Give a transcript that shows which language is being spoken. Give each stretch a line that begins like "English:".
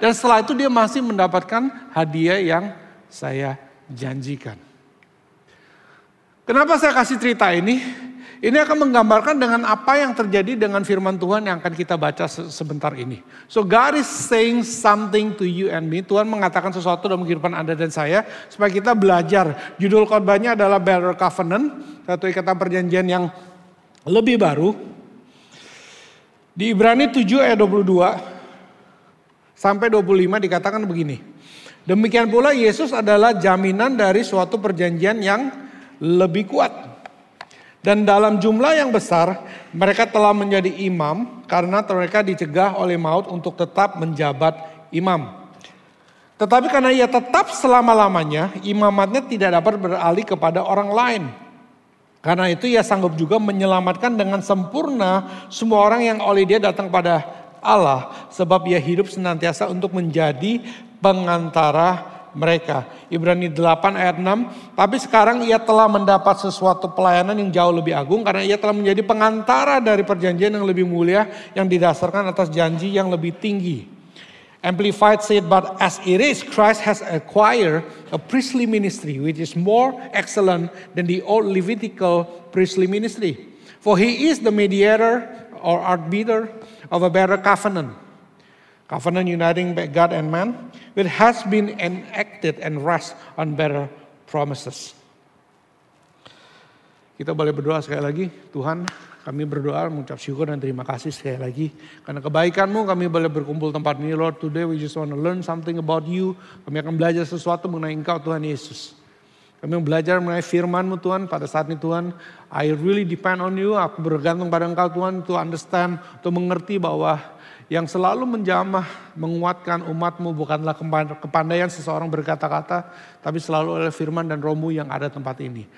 Indonesian: Dan setelah itu dia masih mendapatkan hadiah yang saya janjikan. Kenapa saya kasih cerita ini? Ini akan menggambarkan dengan apa yang terjadi dengan firman Tuhan yang akan kita baca sebentar ini.
English: So God is saying something to you and me.
Indonesian: Tuhan mengatakan sesuatu dalam kehidupan Anda dan saya. Supaya kita belajar. Judul khotbahnya adalah Better Covenant. Satu ikatan perjanjian yang lebih baru. Di Ibrani 7 ayat 22 sampai 25 dikatakan begini. Demikian pula Yesus adalah jaminan dari suatu perjanjian yang lebih kuat. Dan dalam jumlah yang besar, mereka telah menjadi imam karena mereka dicegah oleh maut untuk tetap menjabat imam. Tetapi karena ia tetap selama-lamanya, imamatnya tidak dapat beralih kepada orang lain. Karena itu ia sanggup juga menyelamatkan dengan sempurna semua orang yang oleh dia datang kepada Allah. Sebab ia hidup senantiasa untuk menjadi pengantara mereka. Ibrani 8 ayat 6. Tapi sekarang ia telah mendapat sesuatu pelayanan yang jauh lebih agung. Karena ia telah menjadi pengantara dari perjanjian yang lebih mulia. Yang didasarkan atas janji yang lebih tinggi.
English: Amplified said, but as it is, Christ has acquired a priestly ministry which is more excellent than the old Levitical priestly ministry. For he is the mediator or arbiter of a better covenant. Covenant uniting God and man, which has been enacted and rests on better promises.
Indonesian: Kita boleh berdoa sekali lagi, Tuhan. Kami berdoa, mengucap syukur dan terima kasih sekali lagi. Karena kebaikan-Mu kami boleh berkumpul tempat ini.
English: Lord, today we just want to learn something about You.
Indonesian: Kami akan belajar sesuatu mengenai Engkau, Tuhan Yesus. Kami belajar mengenai firman-Mu, Tuhan, pada saat ini, Tuhan.
English: I really depend on You.
Indonesian: Aku bergantung pada Engkau, Tuhan,
English: to understand, to
Indonesian: mengerti bahwa yang selalu menjamah, menguatkan umat-Mu bukanlah kepandaian seseorang berkata-kata, tapi selalu oleh firman dan roh-Mu yang ada tempat ini.